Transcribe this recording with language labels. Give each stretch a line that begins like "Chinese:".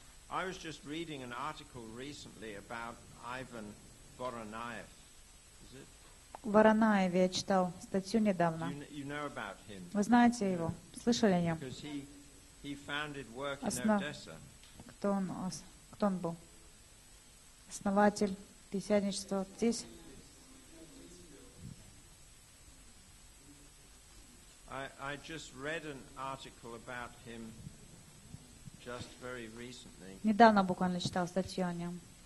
English: I was just reading an article recently about Ivan Voronoev. Is it?
Russian: Воронаев, я читал статью недавно.
English: You know about him?
Russian: Вы знаете его? Слышали о нем?
English: Because he founded work in Odessa.
Russian: Кто он был? Основатель. Писяничество здесь.
English: I just read an article about him just very recently.
Russian: Недавно буквально читал статью о нем.